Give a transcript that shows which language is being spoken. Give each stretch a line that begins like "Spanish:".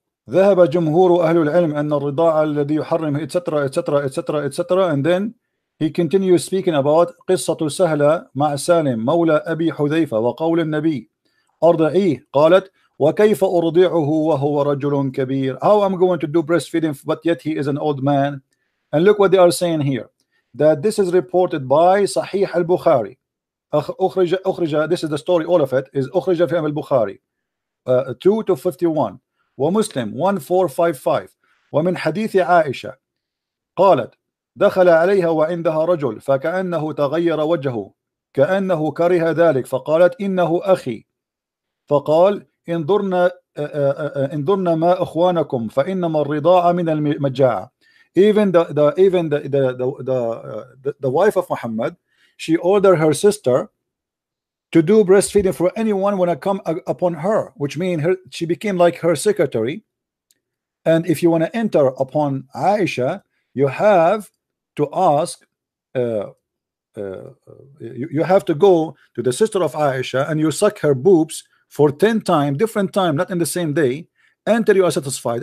Arabic: ذهب جمهور أهل العلم أن الرضاعة الذي يحرم
English: etc etc etc etc and then he continues speaking about
Arabic: قصة سهلة مع سالم مولى أبي حذيفة وقول النبي أرضعيه قالت وكيف أرضعه وهو رجل كبير.
English: How I'm going to do breastfeeding but yet he is an old man. And look what they are saying here, that this is reported by صحيح البخاري.
Arabic: أخرج
English: this is the story, all of it is
Arabic: أخرج في البخاري 2 to 51 ومسلم 1455 ومن حديث عائشة قالت دخل عليها وعندها رجل فكأنه تغير وجهه كأنه كره ذلك فقالت إنه أخي فقال انظرنا ما أخوانكم فإنما الرضاعة من المجاعة.
English: Even the wife of Muhammad, she ordered her sister to do breastfeeding for anyone when I come upon her, which means her, she became like her secretary. And if you want to enter upon Aisha, you have to ask, you have to go to the sister of Aisha and you suck her boobs for 10 times, different time, not in the same day, until you are satisfied.